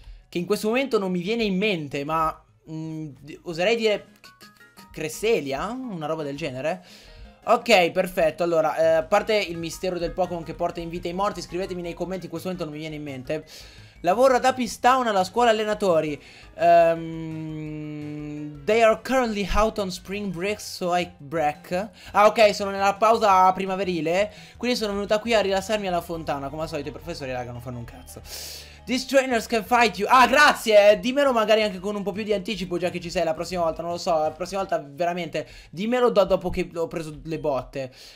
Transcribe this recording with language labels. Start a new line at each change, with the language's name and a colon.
Italian: Che in questo momento non mi viene in mente, ma... oserei dire... Cresselia? Una roba del genere? Ok, perfetto. Allora, a parte il mistero del Pokémon che porta in vita i morti, scrivetemi nei commenti, in questo momento non mi viene in mente. Lavoro ad Apistown alla scuola allenatori.
English: They are currently out on spring break, so I break.
Italian: Ah, ok, sono nella pausa primaverile, quindi sono venuta qui a rilassarmi alla fontana. Come al solito i professori, raga, non fanno un cazzo.
English: These trainers can fight you.
Italian: Ah, grazie, dimmelo magari anche con un po' più di anticipo, già che ci sei la prossima volta, non lo so. La prossima volta, veramente, dimmelo dopo che ho preso le botte.